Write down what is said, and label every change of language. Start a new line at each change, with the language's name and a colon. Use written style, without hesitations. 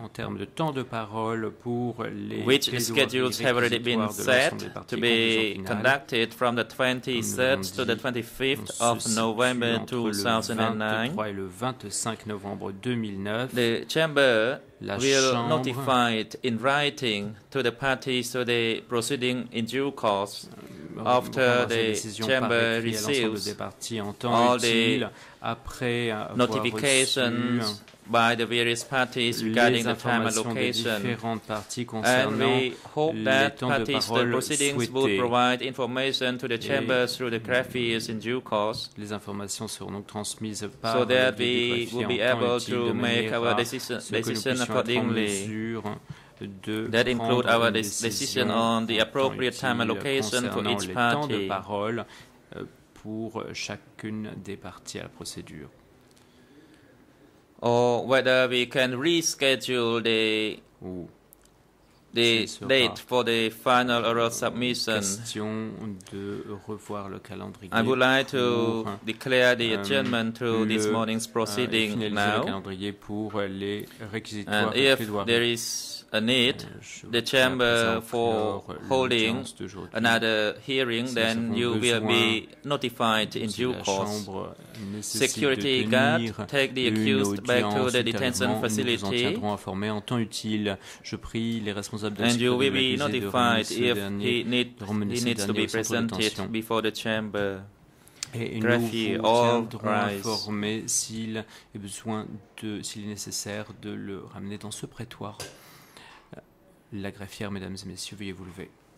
French: en termes de temps de parole pour les
English: which schedules have already been set to be conducted from the 23rd to the 25th of November 2009,
French: le 25 novembre 2009,
English: the chamber will notify it in writing to the parties to the proceeding in due course after the chamber receives all the notifications by the various parties regarding the time allocation. And we hope that parties to the proceedings would provide information to the chamber through the graphies in due course.
French: Les informations seront donc transmises par
English: so that we will be able to make our decision accordingly. That include our decision on the appropriate time allocation for each party.
French: Temps de parole pour chacune des parties à la procédure.
English: Or whether we can reschedule the date for the final oral submission.
French: Question de revoir le calendrier.
English: I would like to declare the adjournment to this morning's proceeding now.
French: Le calendrier pour les réquisitoires.
English: And if there is a need, the chamber for holding another hearing, then you will be notified in due course. Security guard, take the accused back to the detention facility.
French: Nous en informés en temps utile. Je prie les responsables de
English: and you will be notified if he needs to be presented before the chamber.
French: Et nous vous tiendrons informés s'il est besoin de, s'il est nécessaire de le ramener dans ce prétoire. La greffière, mesdames et messieurs, veuillez vous lever.